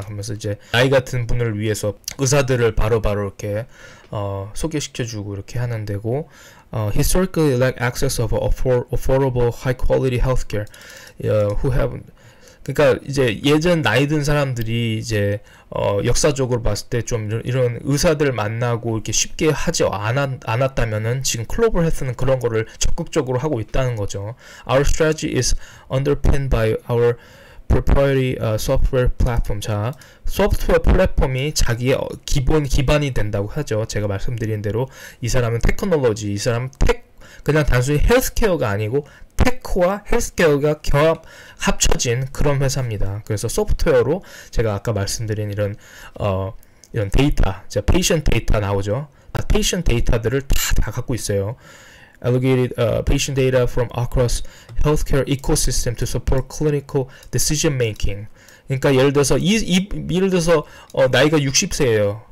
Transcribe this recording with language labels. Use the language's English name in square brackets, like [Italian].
[Korean] 그러면서 이제 나이 같은 분을 위해서 의사들을 바로바로 이렇게 소개시켜주고 이렇게 하는 데고, [English] historically lack access of affordable high quality healthcare who have [Korean] 그러니까 이제 예전 나이 든 사람들이 이제 역사적으로 봤을 때좀 이런 의사들 만나고 이렇게 쉽게 하지 않았다면은 지금 클로벌 헬스는 그런 거를 적극적으로 하고 있다는 거죠. [English] Our strategy is underpinned by our proprietary software platform. [Korean] 자, 소프트웨어 플랫폼이 자기의 기반이 된다고 하죠. 제가 말씀드린 대로 이 사람은 테크놀로지, 이 사람은 그냥 단순히 헬스케어가 아니고 테크와 헬스케어가 합쳐진 그런 회사입니다. 그래서 소프트웨어로 제가 아까 말씀드린 이런 데이터, 제가 페이션 데이터 나오죠. 페이션 데이터들을 다 갖고 있어요. [English] Allocated patient data from across healthcare ecosystem to support clinical decision making. [Korean] 그러니까 예를 들어서 예를 들어서 나이가 60세예요.